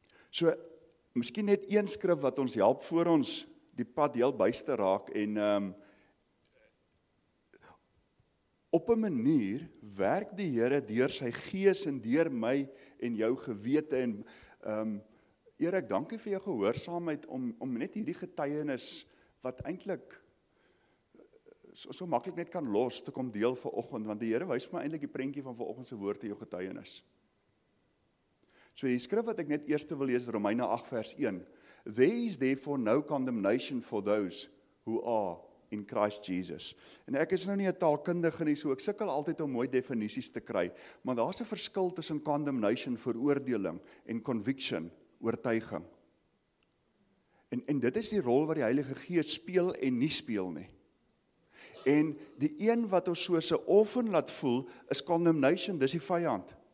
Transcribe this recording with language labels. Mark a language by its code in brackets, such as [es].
[af] So, miskien net een skrif wat ons help voor ons die pad heel byste raak en op 'n manier werk die Here deur sy gees en deur my en jou gewete en Erik, dankie vir jou gehoorsaamheid om net hierdie getuienis wat eintlik so maklik net kan los te kom deel vanoggend, want die Here wys vir my eintlik die prentjie van vanoggend se woord te jou getuienis. So die skrif wat ek net eers wil lees, Romeine 8 vers 1. [en] There is therefore no condemnation for those who are in Christ Jesus. [af] En ek is nou nie 'n taalkundige nie, so ek sukkel altyd om mooi definisies te kry. Maar daar's 'n verskil tussen condemnation, veroordeling, en conviction, oortuiging. En dit is die rol wat die Heilige Gees speel en nie speel nie. En die een wat ons soos 'n orphan laat voel, is condemnation, dis die vyand.